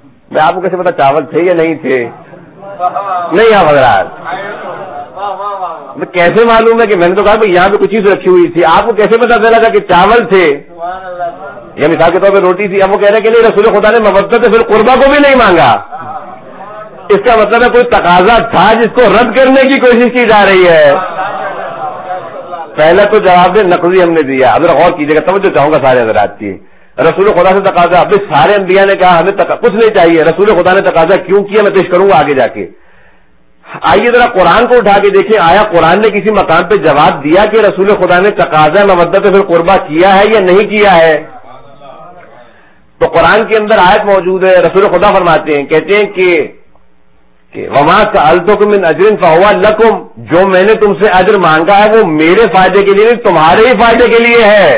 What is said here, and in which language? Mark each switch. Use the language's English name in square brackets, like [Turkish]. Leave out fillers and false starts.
[Urdu] میں آپ کو کیسے پتا چاول تھے یا نہیں تھے؟ نہیں آپ حضرات میں کیسے معلوم ہے کہ میں نے تو کہا بھائی یہاں پہ کچھ چیز رکھی ہوئی تھی، آپ کو کیسے پتا چلا تھا کہ چاول تھے یا مثال کے طور پہ روٹی تھی؟ اب وہ کہہ رہے کہ نہیں رسول خدا نے مبتت پھر قربا کو بھی نہیں مانگا. اس کا مطلب ہے کوئی تقاضا تھا جس کو رد کرنے کی کوشش کی جا رہی ہے. پہلا تو جواب دے نقضی ہم نے دیا. اب غور کیجیے گا تب جو چاہوں گا سارے حضرات کی. رسول خدا سے تقاضا، اب سارے انبیاء نے کہا ہمیں کچھ نہیں چاہیے، رسول خدا نے تقاضا کیوں کیا میں پیش کروں گا آگے جا کے. آئیے ذرا قرآن کو اٹھا کے دیکھیں، آیا قرآن نے کسی مقام پہ جواب دیا کہ رسول خدا نے تقاضا مودت پھر قربا کیا ہے یا نہیں کیا ہے؟ تو قرآن کے اندر آیت موجود ہے، رسول خدا فرماتے ہیں، کہتے ہیں کہ [Arabic] وما سألتکم من اجر فہو لکم، [Urdu] جو میں نے تم سے اجر مانگا ہے وہ میرے فائدے کے لیے نہیں تمہارے ہی فائدے کے لیے ہے.